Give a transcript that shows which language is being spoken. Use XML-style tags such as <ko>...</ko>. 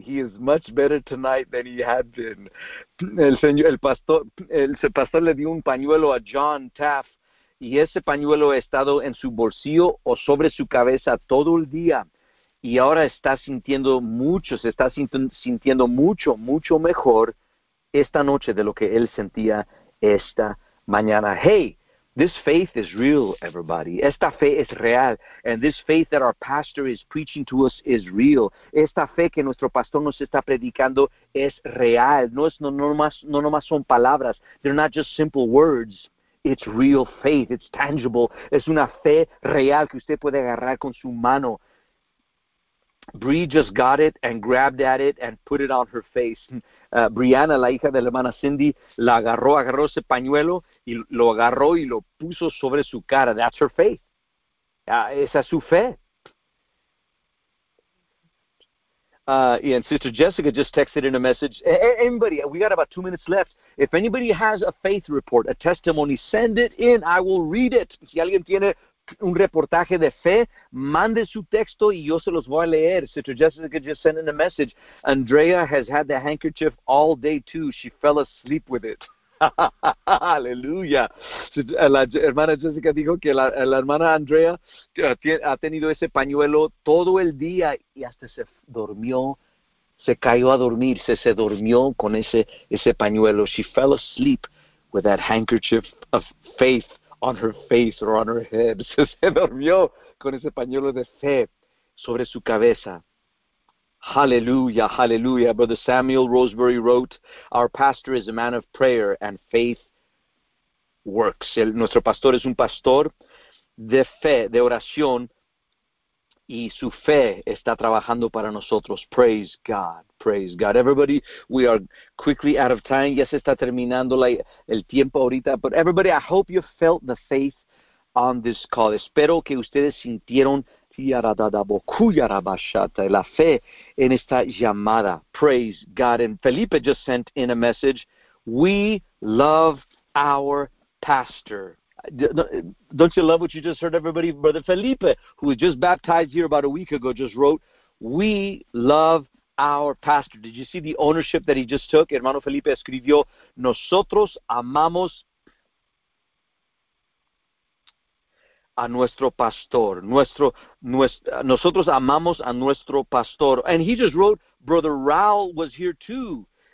<en>He is much better tonight than he had been.</en> <es>El pastor le dio un pañuelo a John Taft. Y ese pañuelo ha estado en su bolsillo o sobre su cabeza todo el día. Y ahora está sintiendo mucho, se está sintiendo mucho, mucho mejor esta noche de lo que él sentía esta mañana.</es> <en>Hey, this faith is real, everybody.</en> <es>Esta fe es real.</es> <en>And this faith that our pastor is preaching to us is real.</en> <es>Esta fe que nuestro pastor nos está predicando es real. No nomás son palabras.</es> <en>They're not just simple words. It's real faith. It's tangible.</en> <es>Es una fe real que usted puede agarrar con su mano.</es> <en>Bree just got it and grabbed at it and put it on her face.</en> <es>Brianna, la hija de la hermana Cindy, la agarró, agarró ese pañuelo y lo agarró y lo puso sobre su cara.</es> <en>That's her faith.</en> <es>Esa es su fe.</es> <en>And Sister Jessica just texted in a message. Anybody, we got about 2 minutes left. If anybody has a faith report, a testimony, send it in. I will read it.</en> <es>Si alguien tiene un reportaje de fe, mande su texto y yo se los voy a leer.</es> <en>Sister Jessica just sent in a message. Andrea has had the handkerchief all day too. She fell asleep with it. Aleluya.</en> <es>La hermana Jessica dijo que la hermana Andrea ha tenido ese pañuelo todo el día y hasta se durmió, se cayó a dormir, se durmió con ese pañuelo.</es> <en>She fell asleep with that handkerchief of faith on her face or on her head.</en> <es>Se durmió con ese pañuelo de fe sobre su cabeza.</es> <en>Hallelujah, hallelujah. Brother Samuel Roseberry wrote, our pastor is a man of prayer and faith works.</en> <es>Nuestro pastor es un pastor de fe, de oración, y su fe está trabajando para nosotros.</es> <en>Praise God, praise God. Everybody, we are quickly out of time.</en> <es>Ya se está terminando el tiempo ahorita.</es> <en>But everybody, I hope you felt the faith on this call.</en> <es>Espero que ustedes sintieron la fe en esta llamada.</es> <en>Praise God. And Felipe just sent in a message. We love our pastor. Don't you love what you just heard, everybody? Brother Felipe, who was just baptized here about a week ago, just wrote, we love our pastor. Did you see the ownership that he just took?</en> <es>Hermano Felipe escribió, nosotros amamos a nuestro pastor, nosotros amamos a nuestro pastor.</es> <en>And he just wrote, Brother Raul was here too.</en>